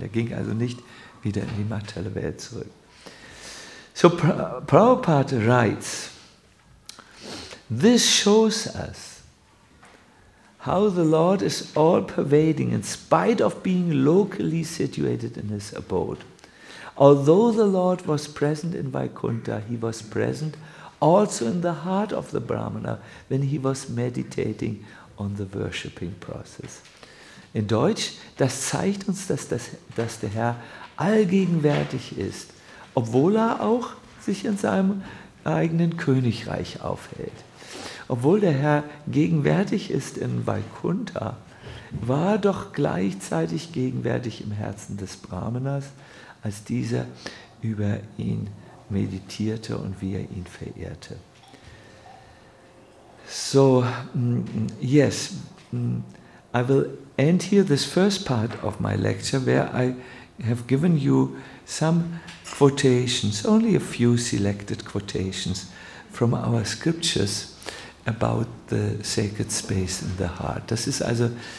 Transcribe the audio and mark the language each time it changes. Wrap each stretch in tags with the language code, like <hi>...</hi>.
<de>Er ging also nicht wieder in die materielle Welt zurück.</de> <en>So Prabhupada writes, "This shows us how the Lord is all-pervading in spite of being locally situated in his abode. Although the Lord was present in Vaikuntha, he was present also in the heart of the Brahmana when he was meditating on the worshipping process."</en> <de>In Deutsch, das zeigt uns, dass der Herr allgegenwärtig ist, obwohl er auch sich in seinem eigenen Königreich aufhält. Obwohl der Herr gegenwärtig ist in Vaikuntha, war er doch gleichzeitig gegenwärtig im Herzen des Brahmanas, als dieser über ihn meditierte und wie er ihn verehrte.</de> <en>So, yes, I will end here this first part of my lecture, where I have given you some quotations, only a few selected quotations from our scriptures about the sacred space in the heart.</en> <de>Das ist also</de>